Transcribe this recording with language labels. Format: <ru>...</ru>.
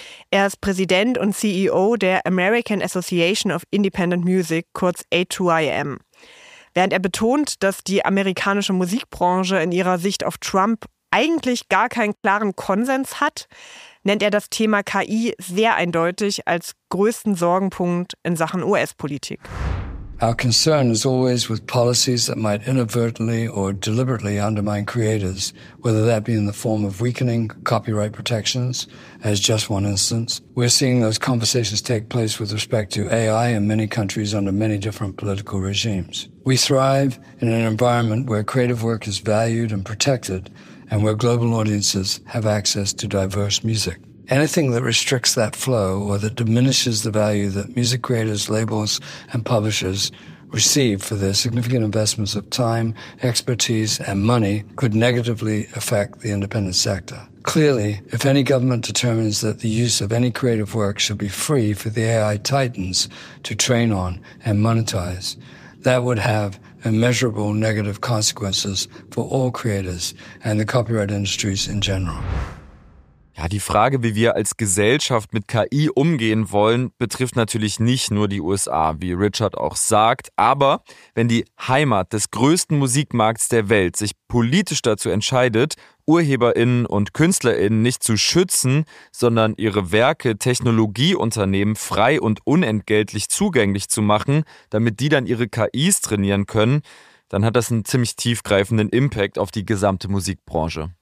<de>Er ist Präsident und CEO der American Association of Independent Music, kurz A2IM. Während er betont, dass die amerikanische Musikbranche in ihrer Sicht auf Trump eigentlich gar keinen klaren Konsens hat, nennt er das Thema KI sehr eindeutig als größten Sorgenpunkt in Sachen US-Politik.</de> <en>Our concern is always with policies that might inadvertently or deliberately undermine creators, whether that be in the form of weakening copyright protections, as just one instance. We're seeing those conversations take place with respect to AI in many countries under many different political regimes. We thrive in an environment where creative work is valued and protected, and where global audiences have access to diverse music. Anything that restricts that flow or that diminishes the value that music creators, labels and publishers receive for their significant investments of time, expertise and money could negatively affect the independent sector. Clearly, if any government determines that the use of any creative work should be free for the AI titans to train on and monetize, that would have immeasurable negative consequences for all creators and the copyright industries in general.</en> <de>Ja, die Frage, wie wir als Gesellschaft mit KI umgehen wollen, betrifft natürlich nicht nur die USA, wie Richard auch sagt. Aber wenn die Heimat des größten Musikmarkts der Welt sich politisch dazu entscheidet, UrheberInnen und KünstlerInnen nicht zu schützen, sondern ihre Werke Technologieunternehmen frei und unentgeltlich zugänglich zu machen, damit die dann ihre KIs trainieren können, dann hat das einen ziemlich tiefgreifenden Impact auf die gesamte Musikbranche.</de>